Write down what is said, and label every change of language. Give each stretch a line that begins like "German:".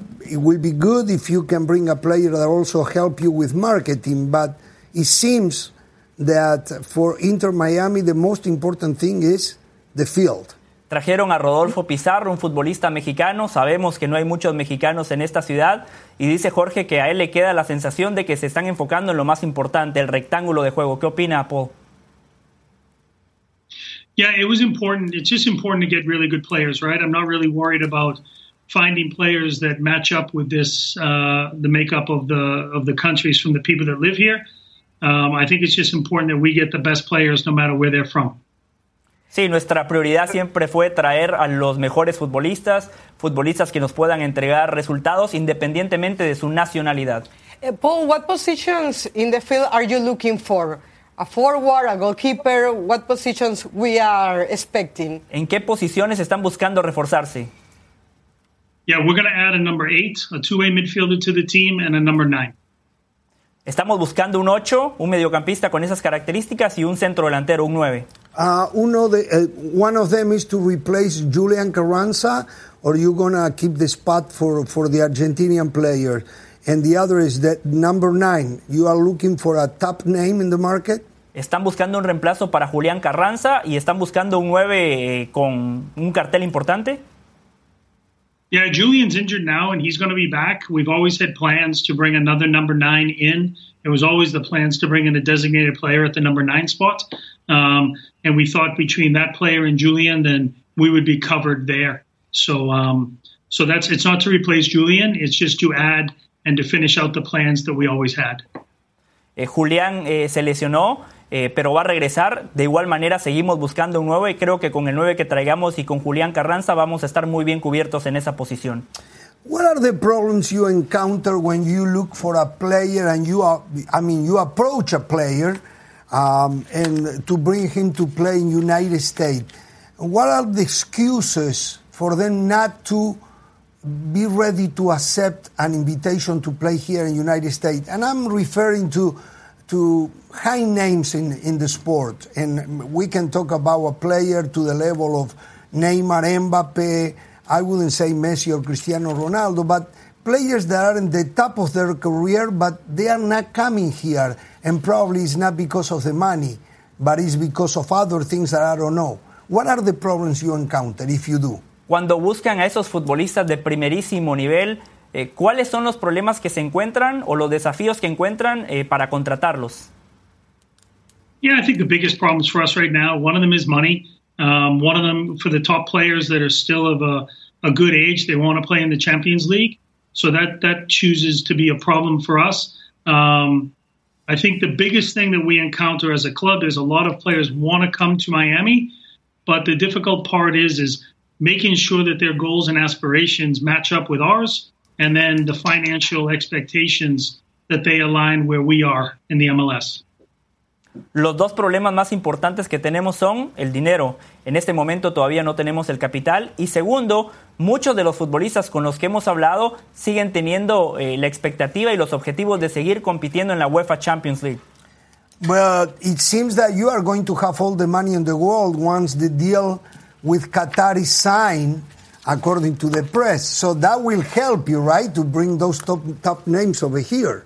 English: It will be good if you can bring a player that also help you with marketing, but it seems that for Inter Miami, the most important thing is the field.
Spanish: Trajeron a Rodolfo Pizarro, un futbolista mexicano. Sabemos que no hay muchos mexicanos en esta ciudad. Y dice Jorge que a él le queda la sensación de que se están enfocando en lo más importante, el rectángulo de juego. ¿Qué opina, Paul?
English: Yeah, it was important. It's just important to get really good players, right? I'm not really worried about finding players that match up with this the makeup of the countries from the people that live here. I think it's just important that we get the best players no matter where they're from.
Spanish: Sí, nuestra prioridad siempre fue traer a los mejores futbolistas, futbolistas que nos puedan entregar resultados independientemente de su nacionalidad.
English: Paul, what positions in the field are you looking for? A forward, a goalkeeper, what positions we are expecting?
Spanish: ¿En qué posiciones están buscando reforzarse?
English: Yeah, we're going to add a number 8, a two-way midfielder to the team, and a number 9.
Spanish: Estamos buscando un 8, un mediocampista con esas características y un centro delantero, un 9.
English: One of them is to replace Julian Carranza, or you're going to keep the spot for the Argentinian player? And the other is that number 9, you are looking for a top name in the market?
Spanish: Están buscando un reemplazo para Julian Carranza y están buscando un 9 con un cartel importante.
English: Yeah, Julian's injured now and he's going to be back. We've always had plans to bring another number 9 in. It was always the plans to bring in a designated player at the number 9 spot. And we thought between that player and Julian, then we would be covered there. So that's, it's not to replace Julian, it's just to add and to finish out the plans that we always had.
Spanish: Julian se lesionó, pero va a regresar. De igual manera, seguimos buscando un 9 y creo que con el 9 que traigamos y con Julián Carranza vamos a estar muy bien cubiertos en esa posición.
English: What are the problems you encounter when you look for a player and you are, I mean, you approach a player and to bring him to play in United States? What are the excuses for them not to be ready to accept an invitation to play here in United States? And I'm referring to high names in the sport, and we can talk about a player to the level of Neymar, Mbappe, I wouldn't say Messi or Cristiano Ronaldo, but players that are in the top of their career, but they are not coming here, and probably it's not because of the money, but it's because of other things that I don't know. What are the problems you encounter, if you do?
Spanish: Cuando buscan a esos futbolistas de primerísimo nivel, ¿cuáles son los problemas que se encuentran o los desafíos que encuentran para contratarlos?
English: Yeah, I think the biggest problems for us right now, one of them is money. One of them for the top players that are still of a good age, they want to play in the Champions League. So that chooses to be a problem for us. I think the biggest thing that we encounter as a club is a lot of players want to come to Miami, but the difficult part is making sure that their goals and aspirations match up with ours. And then the financial expectations that they align where we are in the MLS.
Spanish: Los dos problemas más importantes que tenemos son el dinero. En este momento todavía no tenemos el capital. Y segundo, muchos de los futbolistas con los que hemos hablado siguen teniendo la expectativa y los objetivos de seguir compitiendo en la UEFA Champions League.
English: Well, it seems that you are going to have all the money in the world once the deal with Qatar is signed, according to the press. So that will help you, right, to bring those top names over here.